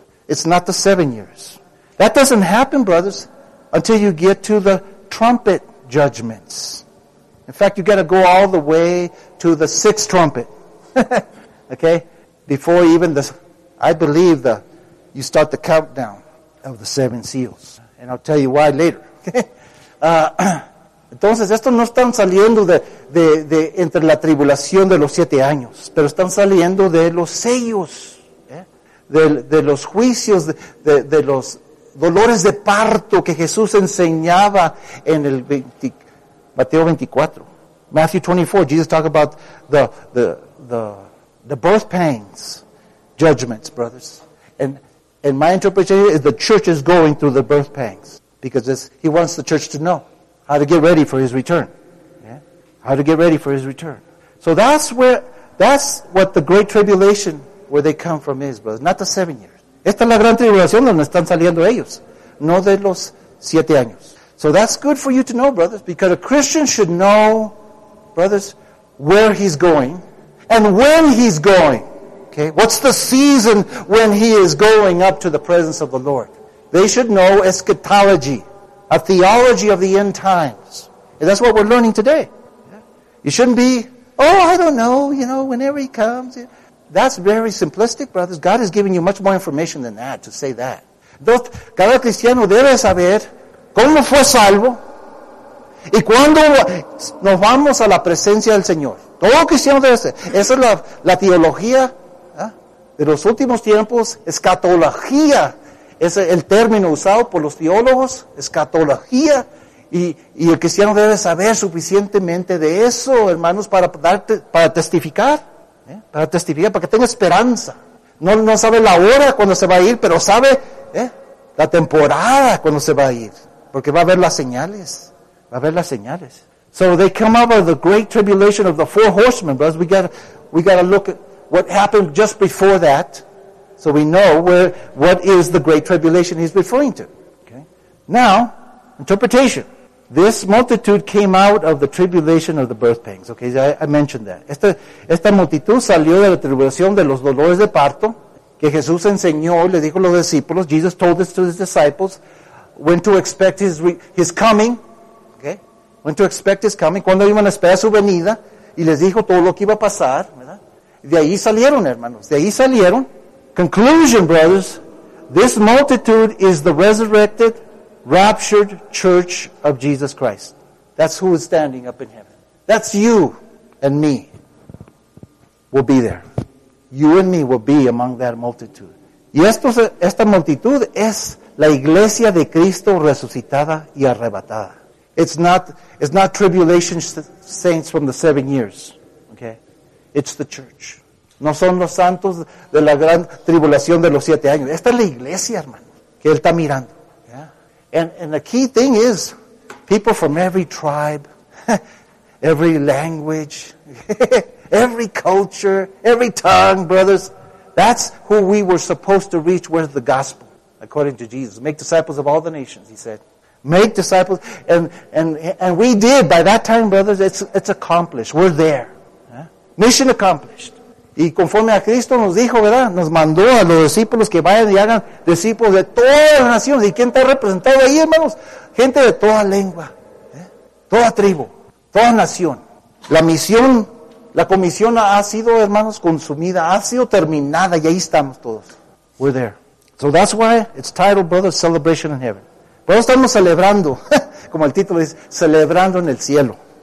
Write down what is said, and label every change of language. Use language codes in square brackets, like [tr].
[en] It's not the 7 years. That doesn't happen, brothers, until you get to the trumpet judgments. In fact, you got to go all the way to the 6th trumpet. Okay? Before even you start the countdown of the 7 seals. And I'll tell you why later. [es] Entonces, estos no están saliendo de entre la tribulación de los 7 años, pero están saliendo de los sellos, de los juicios, de los dolores de parto que Jesús enseñaba en el Mateo 24. [en] Matthew 24, Jesus talked about the birth pains, judgments, brothers. And my interpretation is the church is going through the birth pains because he wants the church to know how to get ready for his return. Yeah. How to get ready for his return. So that's what the great tribulation, where they come from, is, brothers. Not the 7 years. [es] Esta es la gran tribulación donde están saliendo ellos. No de los 7 años. [en] So that's good for you to know, brothers, because a Christian should know, brothers, where he's going and when he's going. Okay? What's the season when he is going up to the presence of the Lord? They should know eschatology. A theology of the end times. And that's what we're learning today. You shouldn't be, I don't know, whenever he comes. That's very simplistic, brothers. God is giving you much more information than that, to say that. [es] Cada cristiano debe saber cómo fue salvo y cuándo nos vamos a la presencia del Señor. Todo cristiano debe ser. Esa es la teología de los últimos tiempos, escatología. Es el término usado por los teólogos, escatología, y el cristiano debe saber suficientemente de eso, hermanos, para testificar, para que tenga esperanza. No sabe la hora cuando se va a ir, pero sabe la temporada cuando se va a ir, porque va a ver las señales, va a ver las señales. [en] So they come out of the great tribulation of the 4 horsemen, brothers. We gotta look at what happened just before that. So we know what is the great tribulation he's referring to. Okay. Now, interpretation. This multitude came out of the tribulation of the birth pangs. Okay, I mentioned that. [es] Esta multitud salió de la tribulación de los dolores de parto que Jesús enseñó, le dijo a los discípulos. [en] Jesus told this to his disciples when to expect his coming. Okay, when to expect his coming. [es] Cuando iban a esperar su venida. Y les dijo todo lo que iba a pasar. ¿Verdad? De ahí salieron, hermanos. De ahí salieron. [en] Conclusion, brothers, this multitude is the resurrected raptured church of Jesus Christ. That's who is standing up in heaven. That's you and me. We'll be there. You and me will be among that multitude. [es] Y esta multitud es la iglesia de Cristo resucitada y arrebatada. [en] It's not tribulation saints from the 7 years. Okay? It's the church. [es] No son los santos de la gran tribulación de los 7 años. Esta es la iglesia, hermano, que él está mirando. [en] Yeah? And the key thing is, people from every tribe, every language, every culture, every tongue, brothers, that's who we were supposed to reach with the gospel, according to Jesus. Make disciples of all the nations, he said. Make disciples. And we did. By that time, brothers, it's accomplished. We're there. Mission accomplished. [es] Y conforme a Cristo nos dijo, ¿verdad? Nos mandó a los discípulos que vayan y hagan discípulos de todas las naciones. ¿Y quién está representado ahí, hermanos? Gente de toda lengua, toda tribu, toda nación. La misión, la comisión ha sido, hermanos, consumida, ha sido terminada y ahí estamos todos. [en] We're there. So that's why it's titled, brothers, Celebration in Heaven. [es] Por eso estamos celebrando, como el título dice, celebrando en el cielo.